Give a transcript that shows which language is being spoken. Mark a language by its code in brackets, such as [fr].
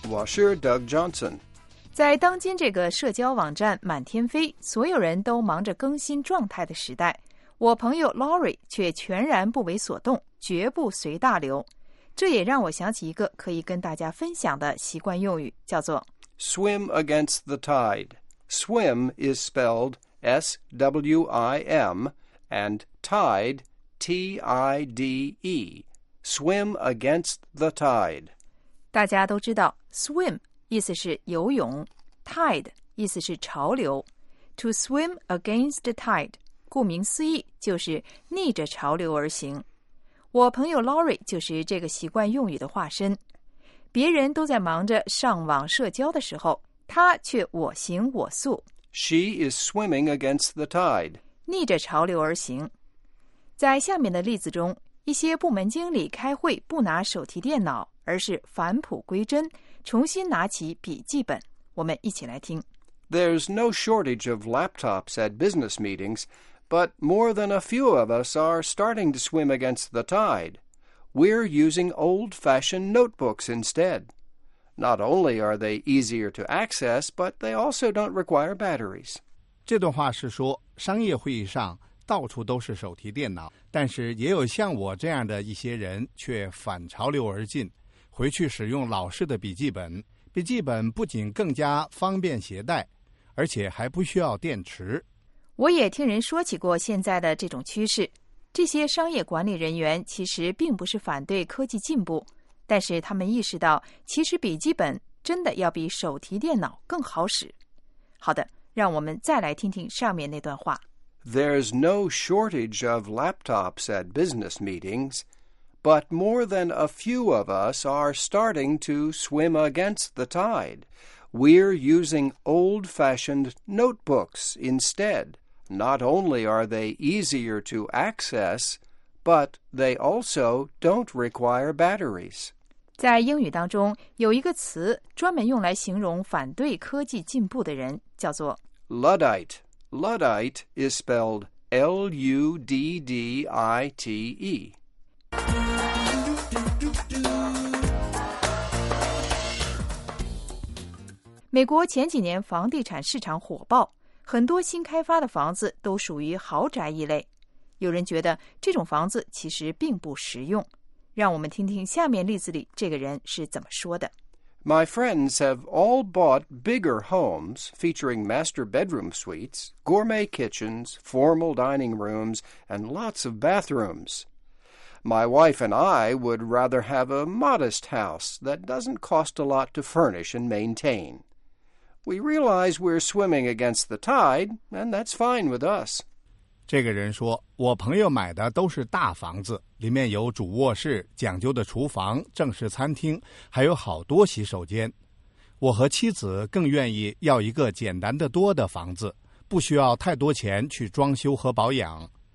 [zh] 我是 Doug Johnson 在当今这个社交网站满天飞所有人都忙着更新状态的时代我朋友 Laurie 却全然不为所动绝不随大流这也让我想起一个可以跟大家分享的习惯用语叫做 [en] Swim against the tideSwim is spelled S-W-I-M and tide, T-I-D-E. Swim against the tide. [zh] 大家都知道 swim 意思是游泳 tide 意思是潮流 [en] To swim against the tide, [zh] 顾名思义就是逆着潮流而行。我朋友 Laurie 就是这个习惯用语的化身。别人都在忙着上网社交的时候她却我行我素。 [en] She is swimming against the tide. [zh] 逆着潮流而行。在下面的例子中，一些部门经理开会不拿手提电脑，而是返璞归真，重新拿起笔记本。我们一起来听。 [en] There's no shortage of laptops at business meetings, but more than a few of us are starting to swim against the tide. We're using old-fashioned notebooks instead. Not only are they easier to access, but they also don't require batteries. [zh] 这段话是说，商业会议上到处都是手提电脑，但是也有像我这样的一些人却反潮流而进，回去使用老式的笔记本。笔记本不仅更加方便携带，而且还不需要电池。我也听人说起过现在的这种趋势，这些商业管理人员其实并不是反对科技进步。但是他们意识到其实笔记本真的要比手提电脑更好使。好的，让我们再来听听上面那段话。 [en] There's no shortage of laptops at business meetings, but more than a few of us are starting to swim against the tide. We're using old-fashioned notebooks instead. Not only are they easier to access, but they also don't require batteries. [zh] 在英语当中有一个词专门用来形容反对科技进步的人叫做 [en] Luddite. Luddite is spelled L-U-D-D-I-T-E. [zh] 美国前几年房地产市场火爆，很多新开发的房子都属于豪宅一类。有人觉得这种房子其实并不实用。让我们听听下面例子里这个人是怎么说的。 [en] My friends have all bought bigger homes featuring master bedroom suites, gourmet kitchens, formal dining rooms, and lots of bathrooms. My wife and I would rather have a modest house that doesn't cost a lot to furnish and maintain. We realize we're swimming against the tide, and that's fine with us. [zh] 这个人说，我朋友买的都是大房子，里面有主卧室、讲究的厨房、正式餐厅，还有好多洗手间。我和妻子更愿意要一个简单的多的房子，不需要太多钱去装修和保养。